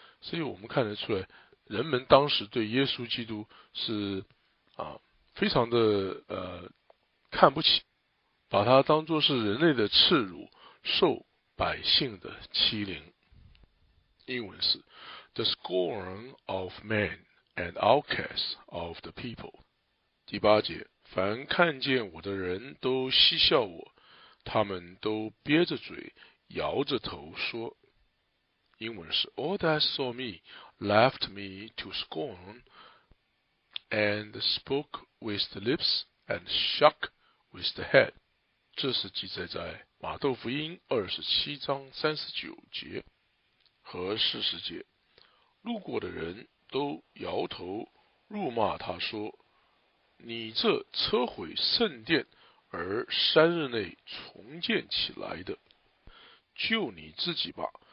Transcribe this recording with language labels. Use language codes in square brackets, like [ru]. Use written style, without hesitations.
[zh] 所以我们看得出来，人们当时对耶稣基督是啊，非常的看不起，把他当作是人类的耻辱，受百姓的欺凌。英文是 [en] The scorn of men and outcast of the people。 [zh] 第八节，凡看见我的人都嬉笑我，他们都憋着嘴摇着头说。英文是 [en] All that saw me laughed me to scorn and spoke with the lips and shook with the head。 [zh] 这是记载在马窦福音二十七章三十九节和四十节，路过的人都摇头辱骂他说：“你这车毁圣殿而三日内重建起来的，救你自己吧！